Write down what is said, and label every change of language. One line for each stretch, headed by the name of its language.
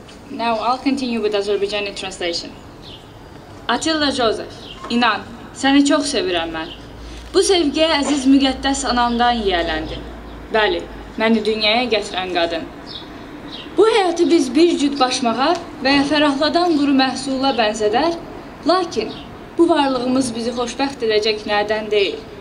English: Now I'll continue with Azerbaijani translation.
Turkish: Atilla Joseph, inan, seni çok seviyorum ben.
Azerbaijani: Bu sevgi aziz müqəddəs anamdan yiyələndi. Bəli, məni dünyaya gətirən qadın. Bu həyatı biz bir cüt başmağa və fərahladan quru məhsula bənzədər, lakin bu varlığımız bizi xoşbəxt edəcək nədən deyil.